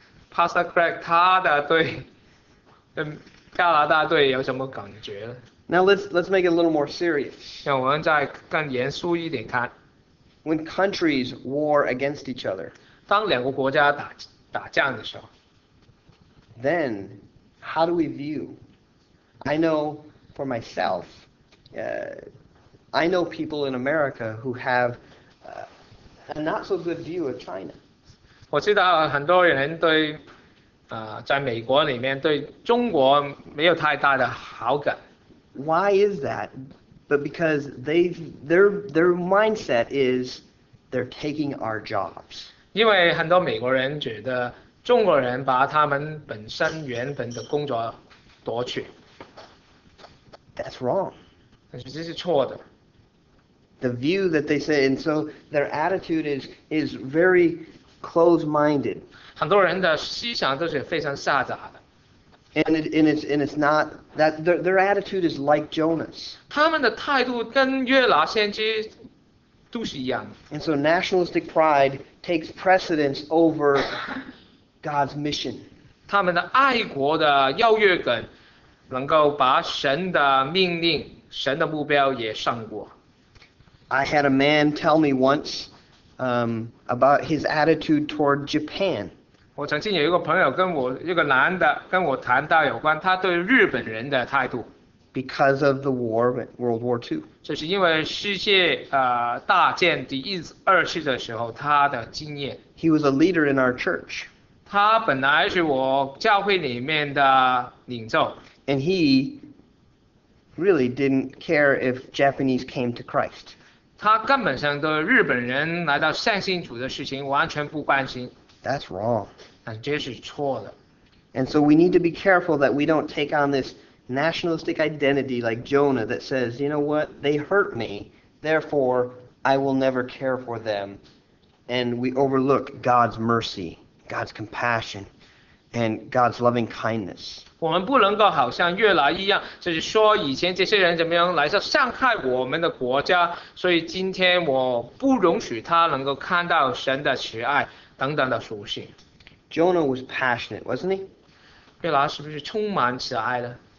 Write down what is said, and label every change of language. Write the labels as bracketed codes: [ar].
[zh] Pastor Craig, 他的对加拿大队有什么感觉呢 [en] ？Now let's make it a little more serious. [zh] 让我们再更严肃一点看。 [en] When countries war against each other, [zh] 当两个国家打仗的时候 [en] ，then how do we view? I know for myself, I know people in America who have a not so good view of China. [zh] 我知道很多人对在美国里面对中国没有太大的好感。 [en] Why is that? But because their mindset is they're taking our jobs. [zh] 因为很多美国人觉得中国人把他们本身原本的工作夺取， [en] That's wrong. [zh] 但是这是错的。 [en] The view that they say, and so their attitude is very closed-minded. [zh] 很多人的思想都是非常狭窄的。 [en] And it's not that their attitude is like Jonah's. [zh] 他们的态度跟约拿先知都是一样的。 [en] And so nationalistic pride takes precedence over God's mission. [zh] 他们的爱国的优越感，能够把神的命令、神的目标也胜过。 [en] I had a man tell me once, about his attitude toward Japan. [zh] 我曾经有一个朋友跟我，一个男的跟我谈到有关他对日本人的态度。 [en] Because of the war, World War II. [zh] 这是因为世界大战第二次的时候他的经验。 [en] He was a leader in our church. [zh] 他本来是我教会里面的领袖。 [en] And he really didn't care if Japanese came to Christ. [zh] 他根本上对日本人来到善信主的事情完全不关心。 [en] That's wrong. [zh] 这是错的。 [en] And so we need to be careful that we don't take on this nationalistic identity like Jonah that says, you know what, they hurt me, therefore I will never care for them. And we overlook God's mercy, God's compassion, and God's loving kindness. [zh] 我们不能够好像越来一样，就是说以前这些人怎么样来伤害我们的国家，所以今天我不容许他能够看到神的慈爱等等的属性。 [en] Jonah was passionate, wasn't he? [zh] 越来是不是充满慈爱呢？